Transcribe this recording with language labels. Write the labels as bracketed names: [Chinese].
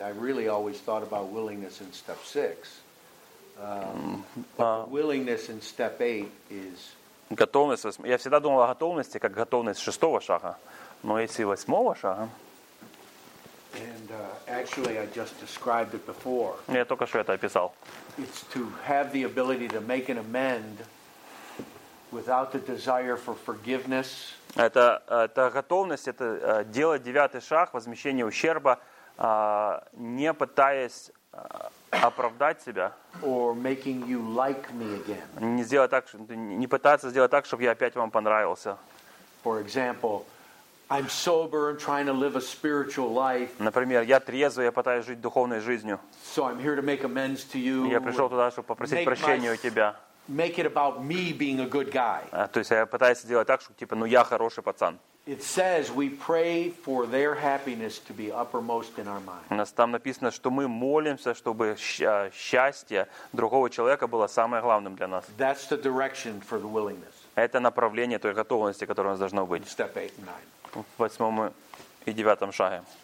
[English] I really always thought about willingness in step 6. Willingness in step 8 is... [Russian] Готовность восьмого. Я всегда думал о готовности как готовность шестого шага. Но если восьмого шага... [English] And actually, I just described it before. [Russian] Я только что это описал. [English] It's to have the ability to make an amend without the desire for forgiveness. [Russian] Это готовность, это делать девятый шаг, возмещение ущерба, не пытаясь оправдать себя. [English] Or making you like me again. [Russian] Не сделать так, не пытаться сделать так, чтобы я опять вам понравился. [English] For example. I'm sober and trying to live a spiritual life. [Russian] Например, я трезвый, я пытаюсь жить духовной жизнью. [English] So I'm here to make amends to you. [Russian] Я пришел туда, чтобы попросить прощения у тебя. [English] Make it about me being a good guy. [Russian] То есть я пытаюсь сделать так, чтобы типа, ну я хороший пацан. [English] It says we pray for their happiness to be uppermost in our mind. [Russian] У нас там написано, что мы молимся, чтобы счастье другого человека было самое главное для нас. [English] That's the direction for the willingness. [Russian] Это направление той готовности, которая у нас должна быть. [English] Step 8 and 9. [Russian] В восьмом и девятом шаге.